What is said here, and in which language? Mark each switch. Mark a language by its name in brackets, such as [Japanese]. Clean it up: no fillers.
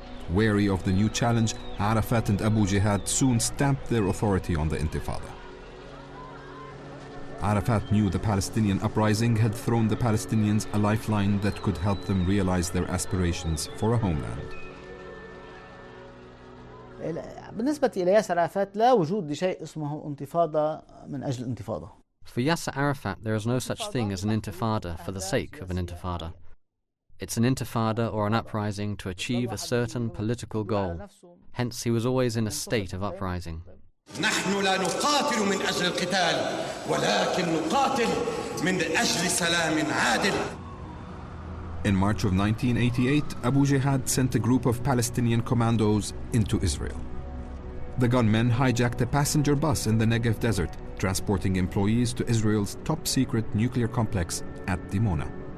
[English] Wary of the new challenge, Arafat and Abu Jihad soon stamped their authority on the Intifada. Arafat knew the Palestinian uprising had thrown the Palestinians a lifeline that could help them realize their aspirations for a homeland. [Arabic] بالنسبة إلى ياسر عرفات لا وجود لشيء اسمه انتفاضة من أجل انتفاضة. [English] For Yasser Arafat, there is no such thing as an intifada for the sake of an intifada. It's an intifada or an uprising to achieve a certain political goal. Hence, he was always in a state of uprising. [Arabic] نحن لا نقاتل من أجل القتال ولكن نقاتل من أجل سلام عادل. [English] In March of 1988, Abu Jihad sent a group of Palestinian commandos into Israel. The gunmen hijacked a passenger bus in the Negev Desert, transporting employees to Israel's top-secret nuclear complex at Dimona.